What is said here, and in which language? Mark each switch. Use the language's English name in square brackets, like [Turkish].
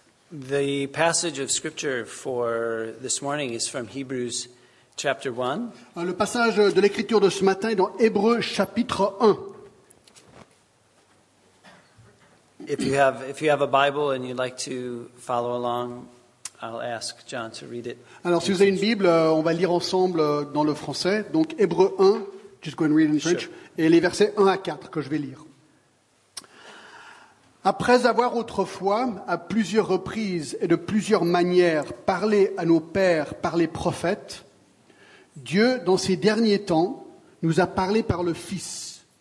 [English] The passage of scripture for this morning is from Hebrews chapter 1. [French] Le passage de l'écriture de ce matin est dans Hébreux chapitre 1. [English] If you have a Bible and you'd like to follow along, I'll ask John to read it. [French] Alors si vous avez une Bible, on va lire ensemble dans le français. [English] Donc Hébreux 1, just go and read in French, sure. [French] Et les versets 1 à 4 que je vais lire. Après avoir autrefois, à plusieurs reprises et de plusieurs manières, parlé à nos pères par les prophètes, Dieu, dans ces derniers temps, nous a parlé par le Fils.